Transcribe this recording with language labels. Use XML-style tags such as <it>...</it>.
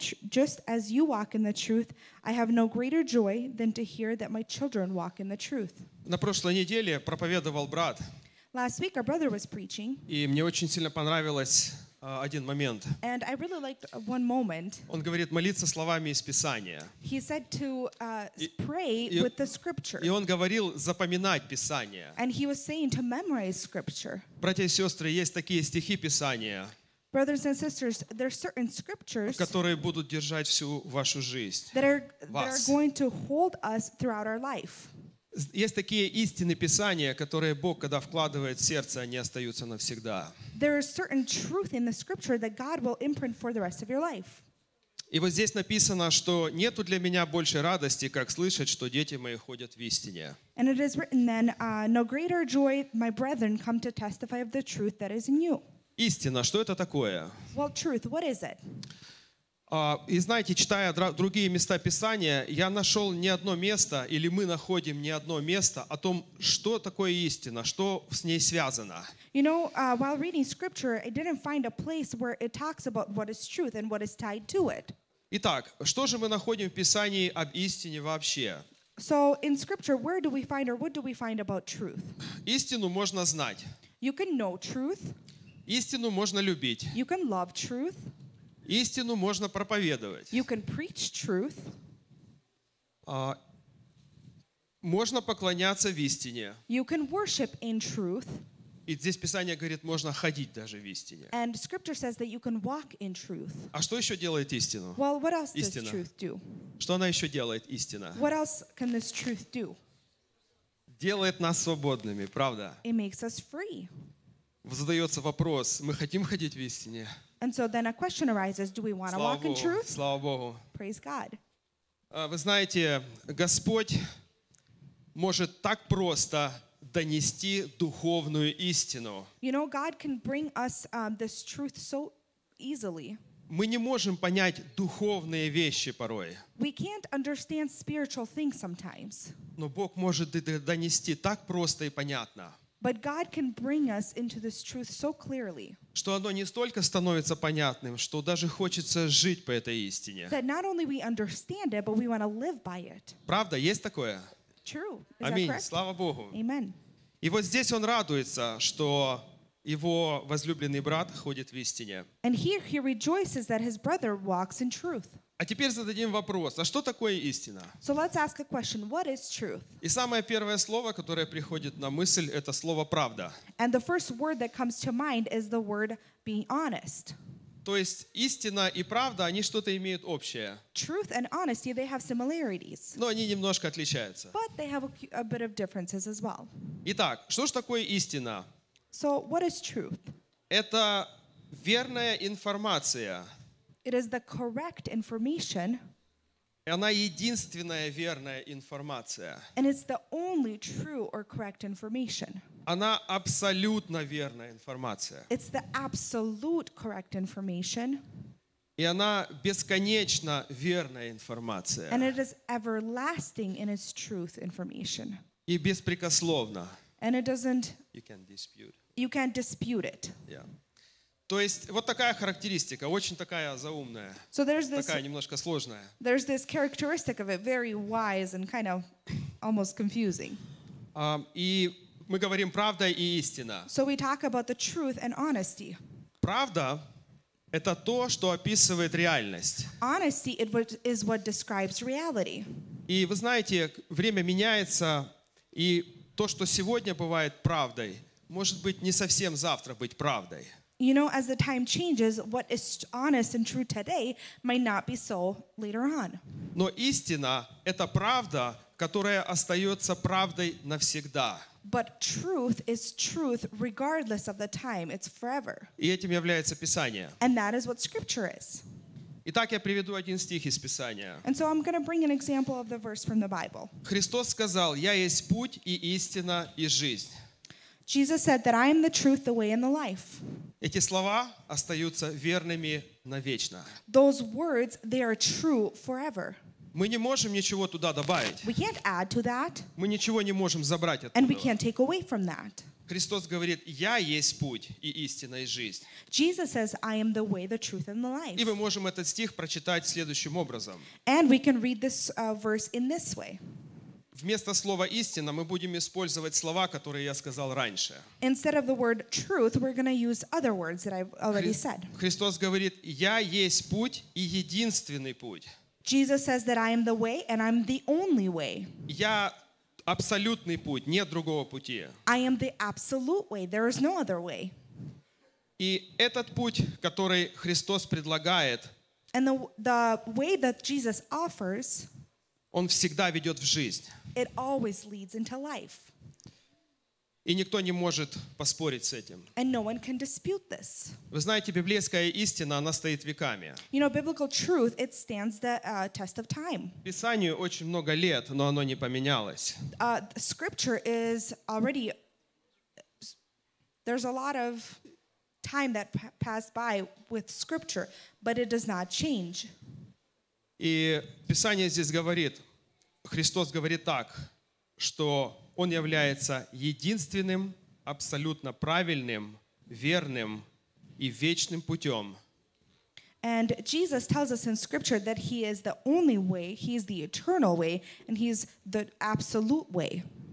<en>Just as you walk in the truth, I have no greater joy than to hear that my children walk in the truth».</en> <ru>На прошлой неделе проповедовал брат.</ru> <en>Last week our brother was preaching.</en> <ru>И мне очень сильно понравилось один момент.</ru> <en>And I really liked one moment.</en> <ru>Он говорит молиться словами из Писания.</ru> <en>He said to pray with the scripture.</en> <ru>И он говорил запоминать Писание.</ru> <en>And he was saying to memorize scripture.</en> <ru>Братья и сестры, есть такие стихи Писания.</ru> <en>Brothers and sisters, there are certain scriptures</en> <ru>которые будут держать всю вашу жизнь.</ru> <en>That are going to hold us throughout our life.</en> <ru>Есть такие истины Писания, которые Бог, когда вкладывает в сердце, они остаются навсегда.</ru> <en>There is certain truth in the scripture that God will imprint for the rest of your life.</en> <ru>И вот здесь написано, что нету для меня большей радости, как слышать, что дети мои ходят в истине.</ru> <en>And it is written then, no greater joy, my brethren, come to testify of the truth that is in you.</en> <ru>Истина, что это такое?</ru> <en>Well, truth, what is it?</en> <ru>И знаете, читая другие места Писания, я нашел не одно место, или мы находим не одно место о том, что такое истина, что с ней связано.</ru> <en>You know, while reading scripture, I didn't find a place where it talks about what is truth and what is tied to it.</en> <ru>Итак, что же мы находим в Писании об истине вообще?</ru> <en>So, in scripture, where do we find or what do we find about truth?</en> <ru>Истину можно знать.</ru> <en>You can know truth.</en> <ru>Истину можно любить.</ru> <en>You can love truth.</en> <ru>Истину можно проповедовать.</ru> <en>You can preach truth.</en> <ru>Можно поклоняться в истине.</ru> <en>You can worship in truth.</en> <ru>И здесь Писание говорит, можно ходить даже в истине.</ru> <en>And scripture says that you can walk in truth.</en> <ru>А что еще делает истину?</ru> <en>Well, what else истина. Does truth do?</en> <ru>Что она еще делает, истина?</ru> <en>What else can this truth do?</en> <ru>Делает нас свободными, правда?</ru> <en>It makes us free.</en> <ru>Задается вопрос, мы хотим ходить в истине?</ru> <en>And so then a question arises, do we want to walk in truth?</en> <ru>Слава Богу.</ru> <en>Praise God.</en> <ru>Вы знаете, Господь может так просто донести духовную истину.</ru> <en>You know, God can bring us this truth so easily.</en> <ru>Мы не можем понять духовные вещи порой.</ru> <en>We can't understand spiritual things sometimes.</en> <ru>Но Бог может донести так просто и понятно.</ru> <en>But God can bring us into this truth so clearly.</en> <ru>Что оно не столько становится понятным, что даже хочется жить по этой истине.</ru> <en>That not only we understand it, but we want to live by it.</en> <ru>Правда, есть такое?</ru> <en>True.</en> <ru>Аминь. Слава Богу.</ru> <en>Amen.</en> <ru>И вот здесь он радуется, что его возлюбленный брат ходит в истине.</ru> <en>And here he rejoices that his brother walks in truth.</en> <ru>А теперь зададим вопрос, а что такое истина?</ru> <en>So let's ask a question, what is truth?</en> <ru>И самое первое слово, которое приходит на мысль, это слово «правда».</ru> <en>And the first word that comes to mind is the word being honest.</en> <ru>То есть истина и правда, они что-то имеют общее.</ru> <en>Truth and honesty, they have similarities.</en> <ru>Но они немножко отличаются.</ru> <en>But they have a bit of differences as well.</en> <ru>Итак, что же такое истина?</ru> <en>So what is truth?</en> <ru>Это верная информация.</ru> <en>It is the correct information.</en> <ru>Она единственная верная информация.</ru> <en>And it's the only true or correct information.</en> <ru>Она абсолютно верная информация.</ru> <en>It's the absolute correct information.</en> <ru>И она бесконечно верная информация.</ru> <en>And it is everlasting in its truth information.</en> <ru>И беспрекословно.</ru> <en>And it doesn't. You can dispute. You can't dispute it. Yeah.</en> <ru>То есть, вот такая характеристика, очень такая заумная,</ru> <en>so this,</en> <ru>такая немножко сложная.</ru> <en>There's this characteristic of it, very wise and kind of almost confusing.</en> <ru>И мы говорим правда и истина.</ru> <en>So we talk about the truth and honesty.</en> <ru>Правда — это то, что описывает реальность.</ru> <en>Honesty is what describes reality.</en> <ru>И вы знаете, время меняется, и то, что сегодня бывает правдой, может быть не совсем завтра быть правдой.</ru> <en>You know, as the time changes, what is honest and true today might not be so later on.</en> <ru>Но истина — это правда, которая остается правдой навсегда.</ru> <en>But truth is truth regardless of the time. It's forever.</en> <ru>И этим является Писание.</ru> <en>And that is what Scripture is.</en> <ru>Итак, я приведу один стих из Писания.</ru> <en>And so I'm going to bring an example of the verse from the Bible.</en> <ru>Христос сказал, «Я есть путь и истина и жизнь».</ru> <en>Jesus said that I am the truth, the way, and the life.</en> <ru>Эти слова остаются верными навечно.</ru> <en>Those words, they are true forever.</en> <ru>Мы не можем ничего туда добавить.</ru> <en>We can't add to that.</en> <ru>Мы ничего не можем забрать оттуда.</ru> <en>And we can't take away from that.</en> <ru>Христос говорит, «Я есть путь и истина и жизнь».</ru> <en>Jesus says, I am the way, the truth, and the life.</en> <ru>И мы можем этот стих прочитать следующим образом.</ru> <en>And we can read this verse in this way.</en> <ru>Вместо слова «истина» мы будем использовать слова, которые я сказал раньше.</ru> <en>Instead of the word «truth», we're going to use other words that I've already said.</en> <ru>Христос говорит, «Я есть путь и единственный путь».</ru> <en>Jesus says that I am the way and I'm the only way.</en> <ru>Я абсолютный путь, нет другого пути.</ru> <en>I am the absolute way, there is no other way.</en> <ru>И этот путь, который Христос предлагает,</ru> <en>and the way that Jesus offers,</en> <ru>он всегда ведет в жизнь.</ru> <en>It always leads into life.</en> <ru>И никто не может поспорить с этим.</ru> <en>And no one can dispute this.</en> <ru>Вы знаете, библейская истина, она стоит веками.</ru> <en>You know, biblical truth, it stands the test of time.</en> <ru>Писанию очень много лет, но оно не поменялось.</ru> <en>Scripture is already... There's a lot of time that passed by with Scripture, but it does not change.</en> <ru>И Писание здесь говорит... Христос говорит так, что Он является единственным, абсолютно правильным, верным и вечным путем.</ru> <en>And Jesus tells us in Scripture that He is the only way, He is the eternal way, and He is the absolute way,</en>